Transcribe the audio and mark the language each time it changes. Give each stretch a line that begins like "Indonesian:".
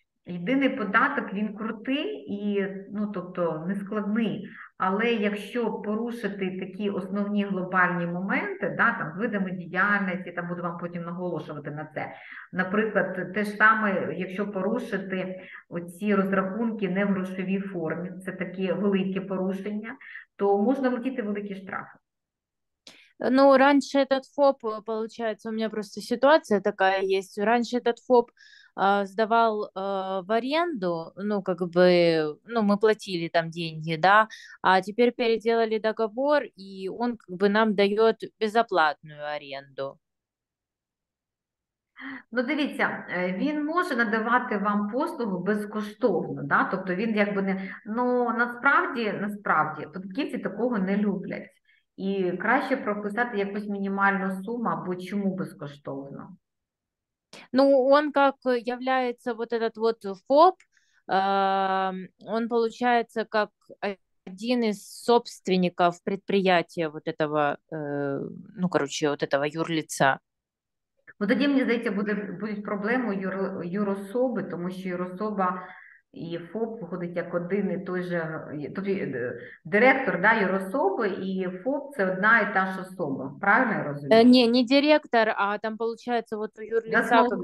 Ukrainian: єдиний податок, він крутий і, ну, тобто, нескладний, але якщо порушити такі основні глобальні моменти, да, там, з видами діяльності, там, буду вам потім наголошувати на це, наприклад, те ж саме, якщо порушити оці розрахунки не в грошовій формі, це такі великі порушення, то можна влетіти в великі штрафи.
Russian: Ну, раньше этот ФОП, получается, у меня просто ситуация такая есть. Раньше этот ФОП сдавал в аренду, ну, как бы, ну, мы платили там деньги, да, а теперь переделали договор, и он как бы нам дает безоплатную аренду.
Ukrainian: Ну, дивіться, він може надавати вам послугу безкоштовно, да? Тобто він якби не, ну, насправді, податківці такого не люблять. І краще прописати якусь мінімальну суму, або чому безкоштовно.
Russian: Ну, он как является вот этот вот ФОП, он получается как один из собственников предприятия вот этого, ну, короче, вот этого юрлица.
Ukrainian: Ну, тоді, мені здається, буде проблема юрособи, тому що юрособа і ФОП виходить як один і той же, тобто директор, да, юрособи і ФОП – це одна і та ж особа. Правильно я розумію? Ні, не директор, а там, виходить, от у юрліця